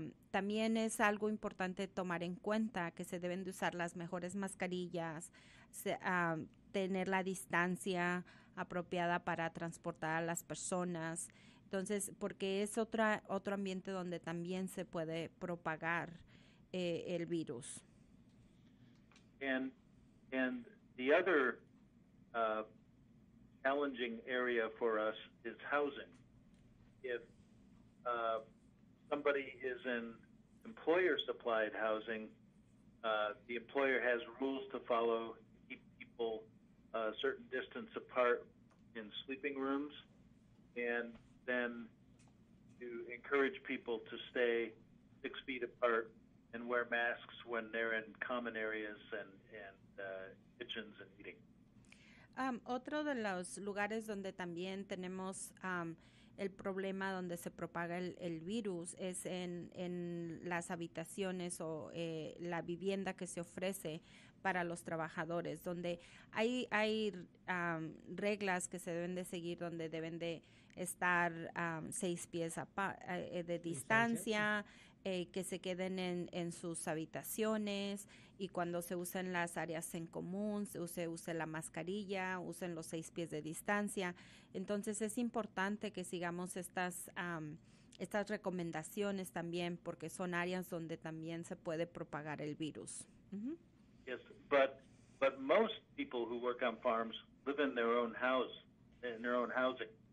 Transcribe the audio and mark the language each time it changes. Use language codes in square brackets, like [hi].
[es] También es algo importante tomar en cuenta que se deben de usar las mejores mascarillas, tener la distancia apropiada para transportar a las personas. Entonces, porque es otro ambiente donde también se puede propagar el virus. [en] And the other challenging area for us is housing. If somebody is in employer-supplied housing, the employer has rules to follow to keep people a certain distance apart in sleeping rooms, and then to encourage people to stay 6 feet apart and wear masks when they're in common areas and kitchens and eating. [es] Otro de los lugares donde también tenemos el problema donde se propaga el virus es en las habitaciones o la vivienda que se ofrece para los trabajadores, donde hay reglas que se deben de seguir, donde deben de estar 6 pies de distancia, que se queden en sus habitaciones, y cuando se usen las áreas en común, use la mascarilla, usen los 6 pies de distancia. Entonces, es importante que sigamos estas recomendaciones también, porque son áreas donde también se puede propagar el virus. Uh-huh. [en] Yes, but most people who work on farms live in their own house, in their own housing.